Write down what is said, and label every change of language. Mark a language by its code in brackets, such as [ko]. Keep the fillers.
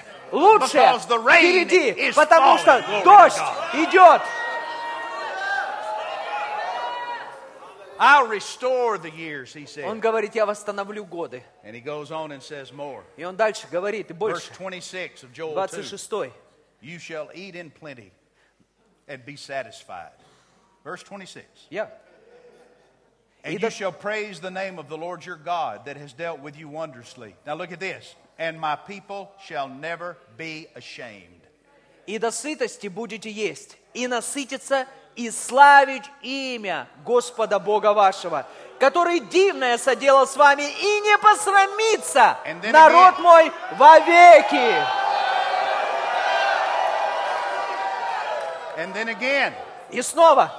[ru] Лучше впереди, потому что дождь идет. [en] I'll restore the years, he said. [ru] Он говорит, я восстановлю годы. [en] And he goes on and says more. [ru] И он дальше говорит, больше. [en] Verse 26 of Joel 2. 26. 2. You shall eat in plenty and be satisfied. Verse 26. Yeah. And и you до... shall praise the name of the Lord your God that has dealt with you wondrously. Now look at this. And my people shall never be ashamed. [ru] И до сытости будете есть, и насытиться и славить имя Господа Бога вашего, который дивное соделал с вами, и не посрамится народ [en] again. [ru] мой вовеки. и снова.